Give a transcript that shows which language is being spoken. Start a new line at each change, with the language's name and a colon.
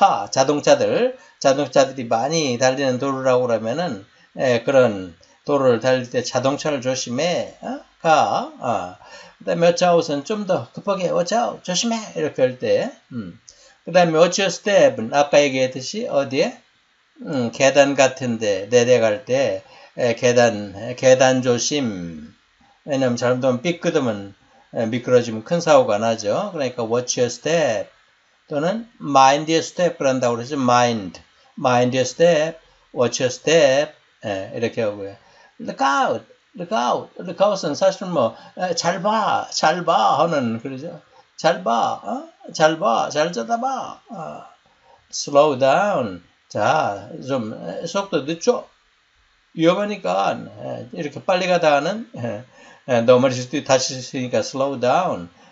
Korean: 자동차들이 많이 달리는 도로라고 그러면은, 그런 도로를 달릴 때 자동차를 조심해, 그다음에
English: watch out
Korean: 은 좀더 급하게 watch out, 조심해 이렇게 할 때, 그다음에
English: watch your step
Korean: 은 아까 얘기했듯이 어디에, 계단 같은데 내려갈 때 계단 조심. 왜냐면 잘못하면 삐끄덤은 미끄러지면 큰 사고가 나죠. 그러니까
English: watch your step
Korean: 또는
English: mind your step
Korean: 그런다고 그러죠.
English: Mind your step, watch your step
Korean: 이렇게 하고요.
English: Look out
Korean: 은 사실 뭐잘 봐, 잘봐 하는 그러죠. 잘 봐, 잘 봐, 잘 쳐다봐.
English: Slow down.
Korean: 자, 좀 속도 늦춰. 위험하니까 이렇게 빨리 가다가는 너머리 다칠 수 있으니까
English: slow down.